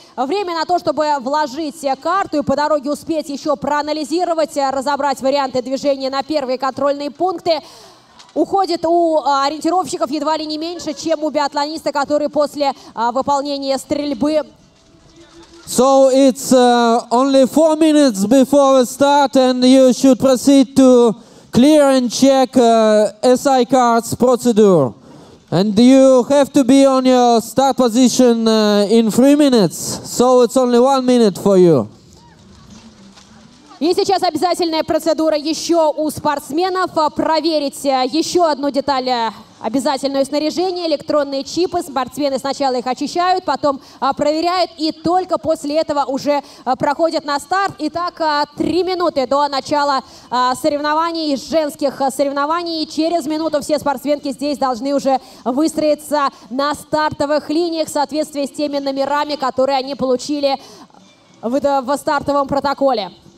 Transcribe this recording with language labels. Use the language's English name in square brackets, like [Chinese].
[Russian] Время на то, чтобы вложить карту и по дороге успеть еще проанализировать, разобрать варианты движения на первые контрольные пункты, уходит у ориентировщиков едва ли не меньше, чем у биатлониста, который после выполнения стрельбы. [English] So it's only 4 minutes before we start, and you should proceed to clear and check SI cards procedure. And you have to be on your start position in 3 minutes, so it's only 1 minute for you. [Russian] И сейчас обязательная процедура еще у спортсменов. Проверить еще одну деталь, обязательное снаряжение, электронные чипы. Спортсмены сначала их очищают, потом проверяют и только после этого уже проходят на старт. Итак, 3 минуты до начала соревнований, женских соревнований. И через минуту все спортсменки здесь должны уже выстроиться на стартовых линиях в соответствии с теми номерами, которые они получили в стартовом протоколе.